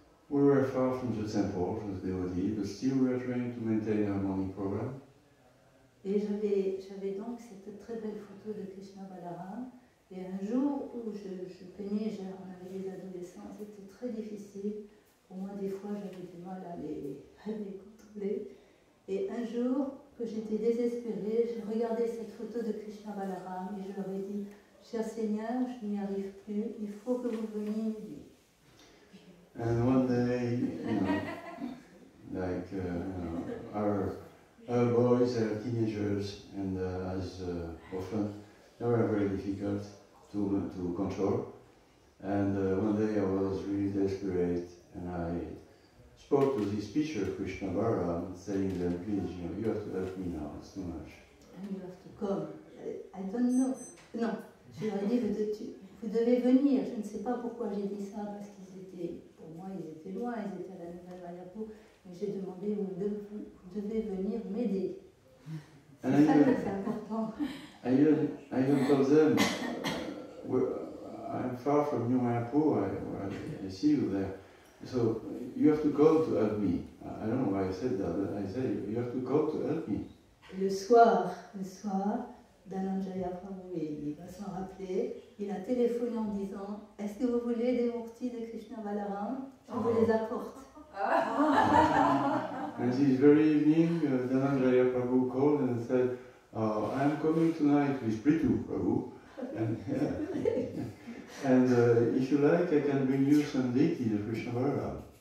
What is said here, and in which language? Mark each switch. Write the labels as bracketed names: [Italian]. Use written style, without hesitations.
[English] We were far from the temple, from the devotees, but still we were trying to maintain our morning program. [French] Et j'avais donc cette très belle photo de Krishna Balaram, et un jour où je peignais, on avait des adolescents, c'était très difficile, pour moi des fois j'avais du mal à les contrôler. Et un jour, que j'étais désespérée, j'ai regardé cette photo de Krishna Balaram et je leur ai dit, cher Seigneur, je n'y arrive plus, il faut que vous veniez m'aider. [English] And one day, you know, like our boys are teenagers and as often, they were very difficult to control. And one day I was really desperate and I spoke to this teacher, Krishna Balaram, saying that, please, you know, you have to help me now, it's too much. And you have to come. I don't know. [French] Non, je leur ai dit, vous devez venir. Je ne sais pas pourquoi j'ai dit ça, parce qu'ils étaient, pour moi, ils étaient loin, ils étaient à la Nouvelle Mayapur. Mais j'ai demandé, vous devez venir m'aider. C'est ça que c'est important. [English] I even told them, I'm far from New Mayapur, I see you there. So you have to go to help me. I don't know why I said that, but I said you have to go to help me. [French] Le soir, Dhananjaya Prabhu, il va s'en rappeler, il a téléphoné en disant, est-ce que vous voulez des mortis de Krishna Balaram? Je vous les apporte. [English] And this very evening, Dhananjaya Prabhu called and said, I am coming tonight with Pritu Prabhu. And if you like, I can bring you some deity de Krishna Balaram.